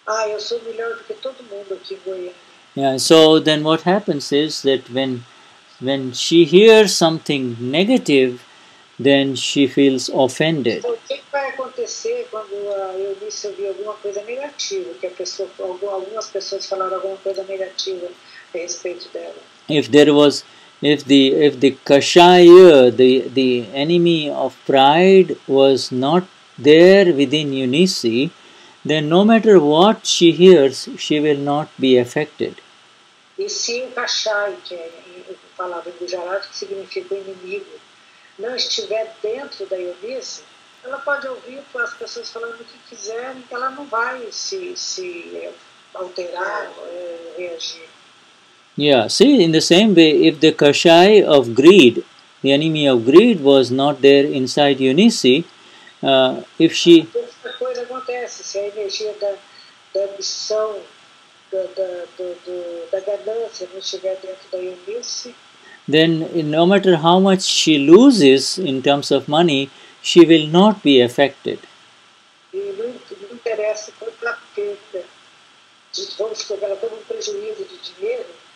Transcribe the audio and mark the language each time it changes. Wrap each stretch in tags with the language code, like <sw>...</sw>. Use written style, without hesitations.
<pt>Eu sou melhor do que todo mundo aqui em Goiânia.</pt> <en>Yeah, so then what happens is that when she hears something negative, then she feels offended.</en> <pt>Então, o que vai acontecer quando eu disse ouvir alguma coisa negativa, que algumas pessoas falaram alguma coisa negativa a respeito dela?</pt> <en>If the kashaya, the enemy of pride, was not there within Eunice, then no matter what she hears, she will not be affected.</en> <pt>E se o kashaya, que é a palavra gujarati, que significa o inimigo, não estiver dentro da Eunice, ela pode ouvir as pessoas falando o que quiserem, que ela não vai se alterar, reagir.</pt> <en>Yeah, see, in the same way, if the kashai of greed, the enemy of greed, was not there inside Eunice, if she...</en> <pt>A coisa acontece, se a energia da ambição, da ganância não estiver dentro da Eunice...</pt> <en>Then, no matter how much she loses in terms of money, she will not be affected.</en> <pt>E não interessa quanto ela perca, vamos dizer, ela tem um prejuízo de dinheiro...</pt>